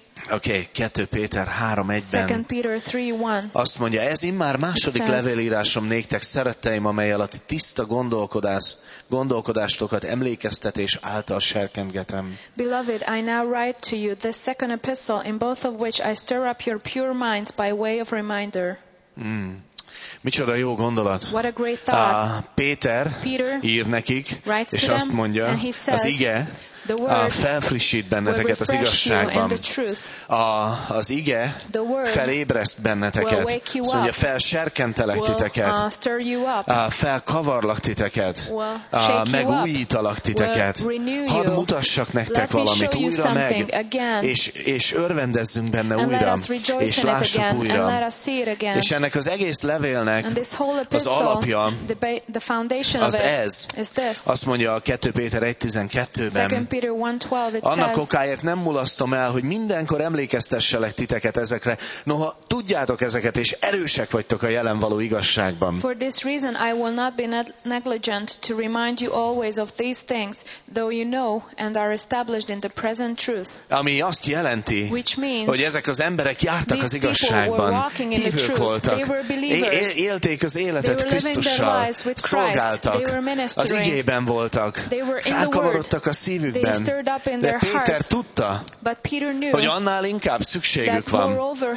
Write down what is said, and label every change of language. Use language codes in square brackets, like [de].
[hu] Okay, 2 Péter 3:1-ben azt mondja, ez immár második levélírásom néktek, szeretteim, amellyel a ti tiszta gondolkodástokat emlékeztetés által serkentgetem. [en] Beloved, I now write to you the second epistle, in both of which I stir up your pure minds by way of reminder. [hu] Micsoda jó gondolat. [en] What a great thought. [hu] Péter ír nekik, és azt mondja, [en] says, [hu] az ige felfrissít benneteket az igazságban. Az ige felébreszt benneteket. Szóval, hogy felserkentelek titeket. Felkavarlak titeket. Megújítalak titeket. Hadd mutassak nektek valamit újra meg, és örvendezzünk benne újra, és lássuk újra. És ennek az egész levélnek az alapja az ez. Azt mondja a 2 Péter 1:12-ben. [en] Peter 1:12 it says, [hu] annak okáért nem mulasztom el, hogy mindenkor emlékeztesselek titeket ezekre. Noha tudjátok ezeket, és erősek vagytok a jelen való igazságban. [en] For this reason I will not be negligent to remind you always of these things, though you know and are established in the present truth. [hu] Ami azt jelenti, hogy ezek az emberek jártak az igazságban, hívők voltak, élték az életet Krisztussal, szolgáltak, az igében voltak, felkavarodtak a szívükben, de Péter tudta, hogy annál inkább szükségük van.